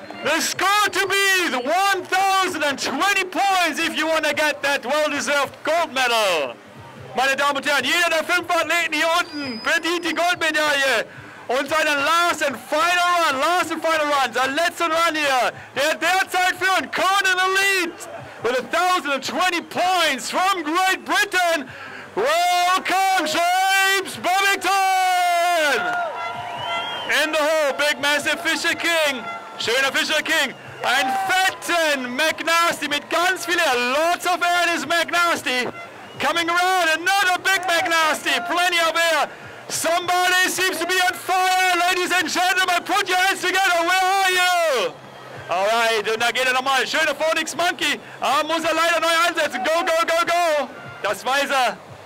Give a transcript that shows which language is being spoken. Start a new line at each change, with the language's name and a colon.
English: The score to be 1020 points if you want to get that well-deserved gold medal.
German: Meine Damen und Herren, jeder der 5 Athleten hier unten verdient die Goldmedaille. Und seinen
English: last and final run, last and final run,
German: sein letzter Run hier, der derzeit führt,
English: K1M in the lead with 1020 points from Great Britain. Welcome, James Bebbington! In the hole, big massive Fisher King,
German: schöner Fisher King, ein fetten McNasty mit ganz vielen,
English: lots of air is McNasty. Coming around, another big McNasty, plenty of air. Somebody seems to be on fire, ladies and gentlemen, put your hands together, where are you?
German: Alright, und da geht er nochmal, schöner Phoenix Monkey, ah, muss er leider neu ansetzen,
English: go, go, go, go,
German: das weiß er.